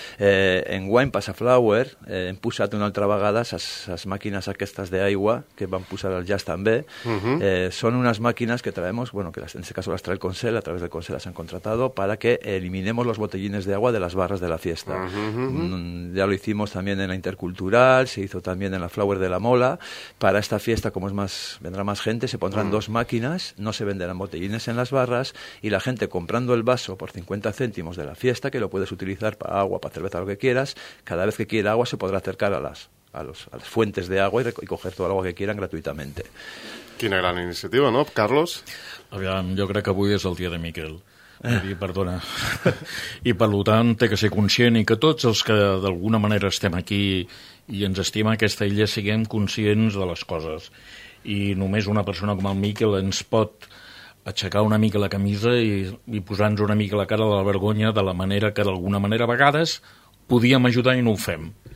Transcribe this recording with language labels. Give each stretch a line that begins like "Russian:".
Catalan: Enguany, per la Flower, hem posat una altra vegada les màquines aquestes d'aigua, que van posar al jazz també. Uh-huh. Són unes màquines que traiem, bueno, que en aquest cas les trae el Consell, a través del Consell les han contratat, perquè eliminem els botellines d'aigua de les barres de la fiesta. Uh-huh.
Spanish: Ya lo hicimos también en la Intercultural, se hizo también en la Flower de la Mola. Para esta fiesta, como vendrá más gente, se pondrán dos màquines, no se venderán botellines en las barras, y la gente comprando el vaso por 50 céntimos de la fiesta, que lo puedes utilizar para agua, para cerveza, lo que quieras, cada vez que quiera agua se podrá acercar a las fuentes de agua y coger todo el agua que quieran gratuitamente.
Catalan: Quina gran iniciativa, no, Carlos? Aviam, jo crec que avui és el dia de Miquel. Perdona. I per tant, té que ser conscient i que tots els que d'alguna manera estem aquí i ens estima aquesta illa siguem conscients de les coses. I només una persona com el Miquel ens pot aixecar una mica la camisa i posar-nos una mica la cara de la vergonya de la manera que d'alguna manera a vegades podíem ajudar i no ho fem.